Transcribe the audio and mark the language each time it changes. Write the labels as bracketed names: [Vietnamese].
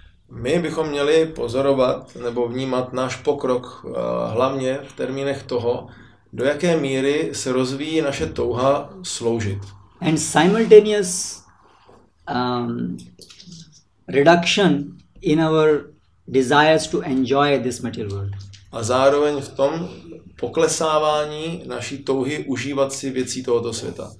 [Czech] My bychom měli pozorovat nebo vnímat náš pokrok hlavně v termínech toho, do jaké míry se rozvíjí naše touha sloužit. [English] And simultaneous reduction in our desires to enjoy this material world. [Czech] A zároveň v tom poklesávání naší touhy užívat si věcí tohoto světa.